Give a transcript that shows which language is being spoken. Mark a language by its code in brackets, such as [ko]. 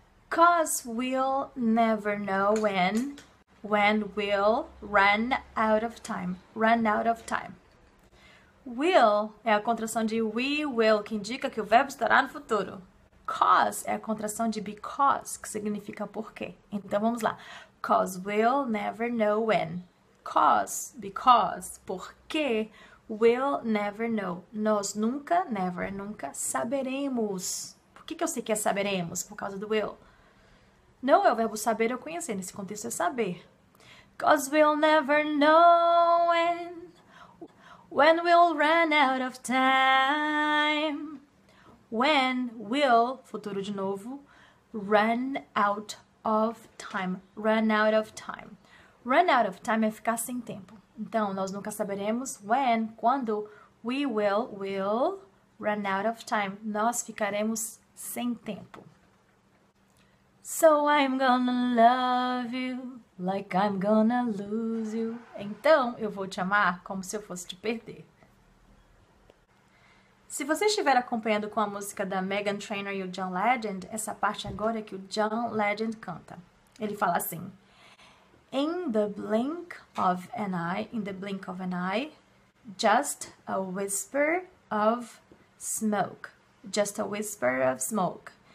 [en] 'Cause we'll never know when we'll run out of time. Run out of time. [pt] Will é a contração de we will, que indica que o verbo estará no futuro. 'Cause é a contração de because, que significa porquê. Então vamos lá. [en] 'Cause we'll never know when. 'Cause, because, porquê, we'll never know. [pt] Nós nunca, never, nunca saberemos. O que que eu sei que é saberemos por causa do will? Know é o verbo saber ou conhecer. Nesse contexto é saber. [en] 'Cause we'll never know when we'll run out of time. When will, futuro de novo, run out of time. Run out of time. [pt] Run out of time é ficar sem tempo. Então, nós nunca saberemos when, quando [en] we will run out of time. [pt] Nós ficaremos sem tempo. [en] So I'm gonna love you like I'm gonna lose you. [pt] Então eu vou te amar como se eu fosse te perder. Se você estiver acompanhando com a música da Meghan Trainor e o John Legend, essa parte agora é que o John Legend canta. Ele fala assim: [en] In the blink of an eye, in the blink of an eye, just a whisper of smoke, just a whisper of smoke.